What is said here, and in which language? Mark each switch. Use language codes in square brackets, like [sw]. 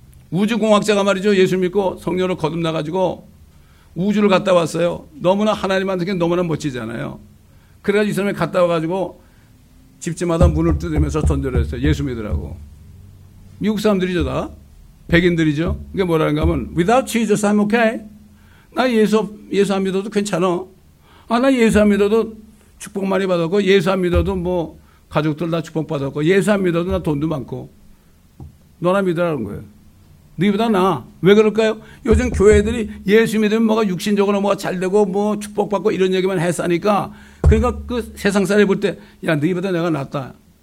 [ko] 우주공학자가 말이죠. 예수 믿고 성령으로 거듭나가지고 우주를 갔다 왔어요. 너무나 하나님한테 너무나 멋지잖아요. 그래가지고 이 사람이 갔다 와가지고 집집마다 문을 두드리면서 전달했어요. 예수 믿으라고. 미국 사람들이죠 다. 백인들이죠. 그게 뭐라는가 하면 [en] Without Jesus I'm okay. [ko] 나 예수 안 믿어도 괜찮아. 아, 나 예수 안 믿어도 축복 많이 받았고 예수 안 믿어도 뭐 가족들 다 축복 받았고 예수 안 믿어도 나 돈도 많고 너나 믿으라는 거예요. 너희보다 나. 왜 그럴까요? 요즘 교회들이 예수 믿으면 뭐가 육신적으로 뭐가 잘되고 뭐 축복받고 이런 얘기만 했으니까 그러니까 그 세상 사람이 볼 때 야 너희보다 내가 낫다.